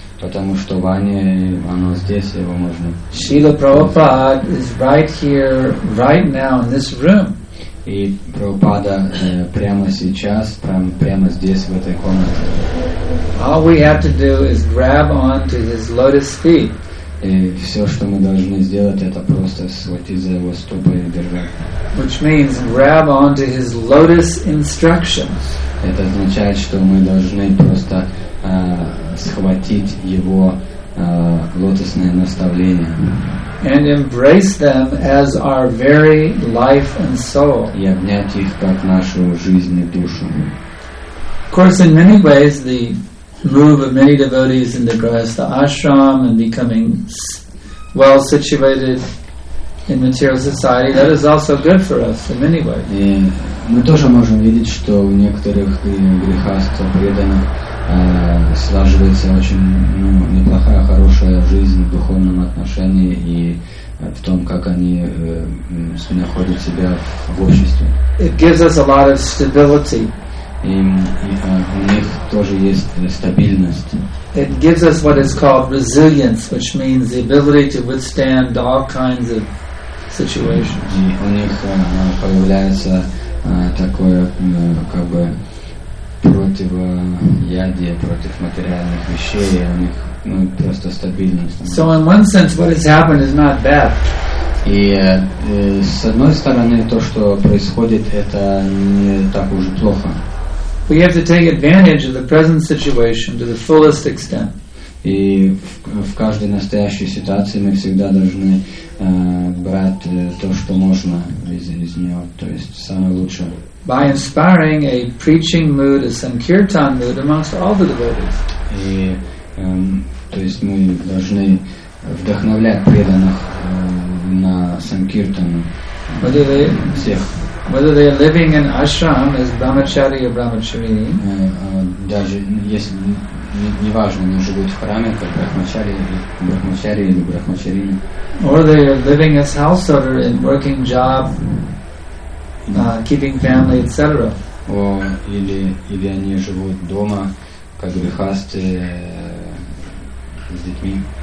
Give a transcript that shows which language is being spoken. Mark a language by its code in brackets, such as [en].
[ru] Потому что вани, оно здесь, его можно. [en] Srila Prabhupada is right here, right now in this room. [ru] И Прабхупада прямо сейчас, прямо здесь, в этой комнате. [en] All we have to do is grab on to his lotus feet. [ru] И все, что мы должны сделать, это просто схватить за его стопы и держать. [en] Which means grab on to his lotus instructions. [ru] Это означает, что мы должны просто схватить его лотосные наставления. [en] And embrace them as our very life and soul. [ru] И обнять их как нашу жизнь и душу. [en] Of course, in many ways, the move of many devotees into grihastha ashram and becoming well situated in material society, that is also good for us in many ways. [ru] И мы тоже можем видеть, что у некоторых грихастха преданных складывается очень неплохая, хорошая жизнь в духовном отношении и в том, как они находят себя в обществе. [en] It gives us a lot of stability. [ru] И у них тоже есть стабильность. [en] It gives us what is called resilience, which means the ability to withstand all kinds of situations. [ru] И у них появляется такое как бы противоядие против материальных вещей, и у них просто стабильность. [en] So in one sense, what has happened is not bad. [ru] И с одной стороны, то, что происходит, это не так уж плохо. [en] We have to take advantage of the present situation to the fullest extent. [ru] И в каждой настоящей ситуации мы всегда должны брать то, что можно из нее, то есть самое лучшее. [en] By inspiring a preaching mood, a sankirtan mood amongst all the devotees. [ru] И то есть мы должны вдохновлять преданных на санкиртану всех. [en] Whether they are living in ashram as brahmachari or brahmacharini, [ru] даже если не важно, они живут в храме как брахмачари или брахмачарини, [en] or they are living as householder in working job, keeping family, etc. [ru] Или они живут дома как грихасты с детьми.